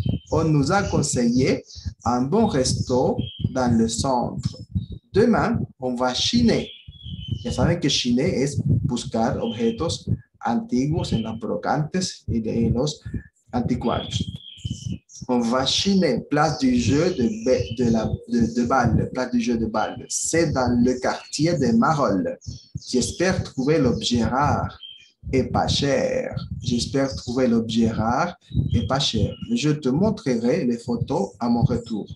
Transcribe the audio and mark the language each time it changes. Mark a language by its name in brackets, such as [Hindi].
[French] On nous a conseillé un bon resto dans le centre. Demain, on va chiner. [Spanish] Ya saben que chiner es buscar objetos antiguos en las brocantes y en los anticuarios. [French] On va chiner, place du jeu de balle, place du jeu de balle. C'est dans le quartier de Marolles. J'espère trouver l'objet rare et pas cher. Je te montrerai les photos à mon retour.